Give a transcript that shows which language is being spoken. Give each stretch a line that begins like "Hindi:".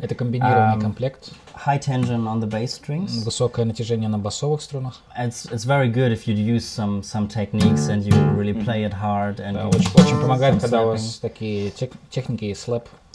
Russian: Это комбинированный комплект.
English: High tension on the bass strings.
Russian: Высокое натяжение на басовых струнах.
English: It's very good if you use some techniques and you really play it hard. And
Russian: да, очень помогает, когда у вас такие техники и слэп.